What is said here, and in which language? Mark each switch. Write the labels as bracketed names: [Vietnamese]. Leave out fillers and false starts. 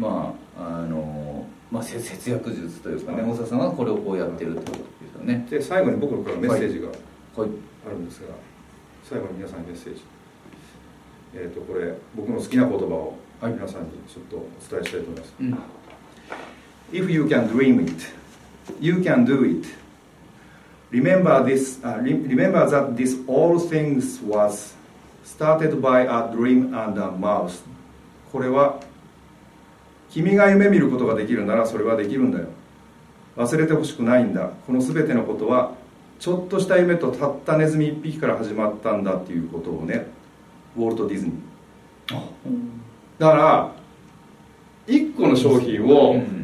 [Japanese] まああのまあ、節約術というかね、大沢さんがこれをこうやってるってことですよね。で最後に僕からメッセージがあるんですが、最後に皆さんにメッセージ、これ僕の好きな言葉を皆さんにちょっとお伝えしたいと思います、はい、 [English] If you can dream itYou can do it. Remember that this all things was started by a dream and a mouse. [Japanese] これは君が夢見ることができるならそれはできるんだよ。忘れてほしくないんだ。このすべてのことはちょっとした夢とたったネズミ一匹から始まったんだっていうことをね、ウォルト・ディズニー。だから一個の商品を